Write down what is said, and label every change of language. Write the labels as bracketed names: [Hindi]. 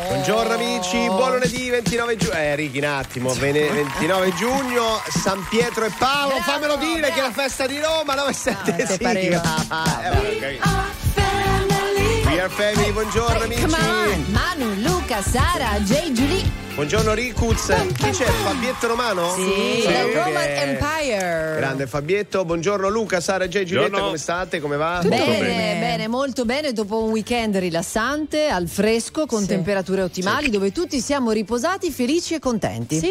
[Italian] Buongiorno amici, buon lunedì 29 giugno. Righi un attimo, 29 giugno, San Pietro e Paolo, bravo, fammelo dire, bravo. Che è la festa di Roma, 97 sigla. [English] We are family. We are family, [Italian] buongiorno amici. [English] Come on. Manu, Luca, Sara, Jay, Julie. [Italian] Buongiorno Ricuz, chi c'è? Fabietto Romano? [English] Sì, the Roman Empire. [Italian] Grande Fabietto, buongiorno Luca, Sara, Jay, Giulietta, buongiorno. Come state? Come va? Tutto bene, molto bene, dopo un weekend rilassante, al fresco, con temperature ottimali, dove tutti siamo riposati, felici e contenti.